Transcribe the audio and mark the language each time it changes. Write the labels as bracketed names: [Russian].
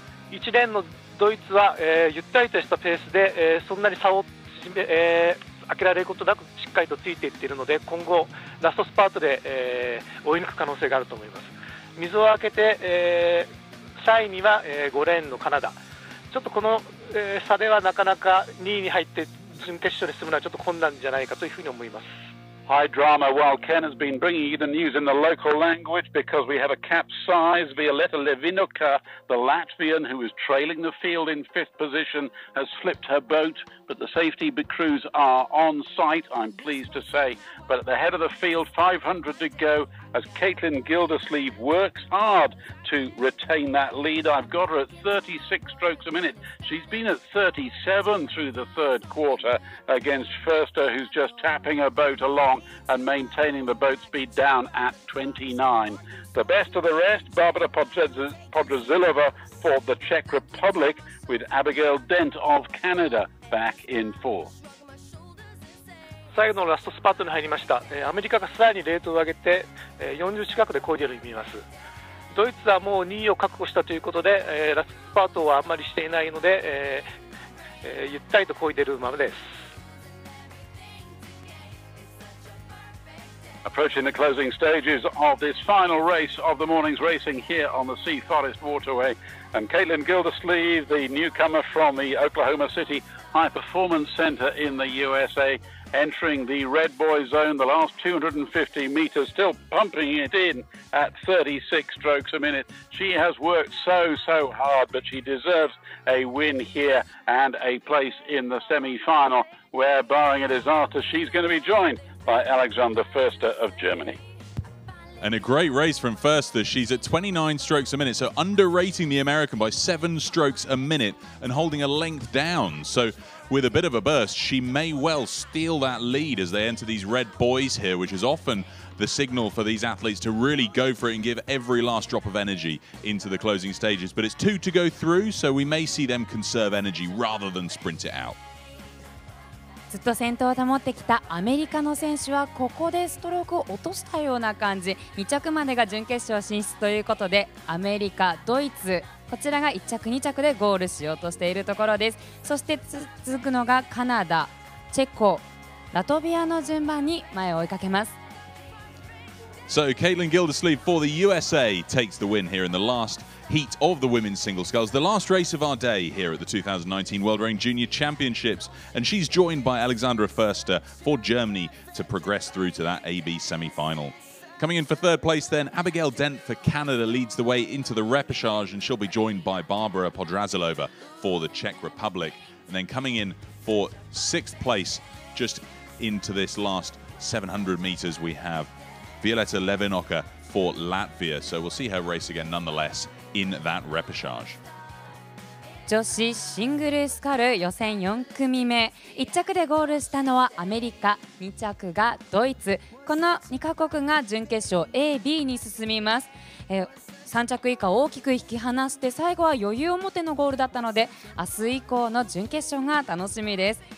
[Japanese] 1レーンのドイツは、ゆったりとしたペースで、そんなに差を開けられることなくしっかりとついていっているので、今後ラストスパートで、追い抜く可能性があると思います。水を開けて、3位には、5レーンのカナダ、ちょっとこの、差ではなかなか2位に入って準決勝に進むのはちょっと困難じゃないかというふうに思います。 [English] High drama. While Ken has been bringing you the news in the local language, because we have a capsize, Violeta Levinuka, the Latvian who was trailing the field in fifth position, has slipped her boat. But the safety crews are on site, I'm pleased to say. But at the head of the field, 500 to go, as Caitlin Gildersleeve works hard to retain that lead. I've got her at 36 strokes a minute. She's been at 37 through the third quarter against Förster, who's just tapping her boat along and maintaining the boat speed down at 29. The best of the rest, Barbara Podrazilova for the Czech Republic, with Abigail Dent of Canada back in fourth. [Japanese] 最後のラストスパートに入りました。アメリカがさらにレートを上げて40近くでコーディアルに見ます。ドイツはもう2位を確保したということで、ラストスパートはあんまりしていないので、ゆったりとコーディアルままです。 [English] Approaching the closing stages of this final race of the morning's racing here on the Sea Forest Waterway. And Caitlin Gildersleeve, the newcomer from the Oklahoma City High Performance Center in the USA, entering the red boy zone, the last 250 meters, still pumping it in at 36 strokes a minute. She has worked so, so hard, but she deserves a win here and a place in the semi-final, where, barring a disaster, she's going to be joined by Alexander Förster of Germany. And a great race from Förster. She's at 29 strokes a minute, so underrating the American by 7 strokes a minute and holding a length down. So with a bit of a burst, she may well steal that lead as they enter these red boys here, which is often the signal for these athletes to really go for it and give every last drop of energy into the closing stages. But it's two to go through, so we may see them conserve energy rather than sprint it out. [Japanese] ずっと先頭を保ってきたアメリカの選手はここでストロークを落としたような感じ。 2着までが準決勝進出ということで、アメリカ、ドイツ、こちらが1着2着でゴールしようとしているところです。そして続くのがカナダ、チェコ、ラトビアの順番に前を追いかけます。 [English] So Caitlin Gildersleeve for the USA takes the win here in the last heat of the women's single sculls, the last race of our day here at the 2019 World Rowing Junior Championships. And she's joined by Alexandra Förster for Germany to progress through to that AB semi-final. Coming in for third place then, Abigail Dent for Canada leads the way into the repechage, and she'll be joined by Barbara Podrazilova for the Czech Republic. And then coming in for sixth place, just into this last 700 meters, we have Violeta Levinoka for Latvia. So we'll see her race again nonetheless in that repechage. [Japanese] 女子シングルスカル予選4組目、1着でゴールしたのはアメリカ、2着がドイツ、この2カ国が準決勝 AB に進みます。 3着以下大きく引き離して、最後は余裕を持てのゴールだったので、明日以降の準決勝が楽しみです。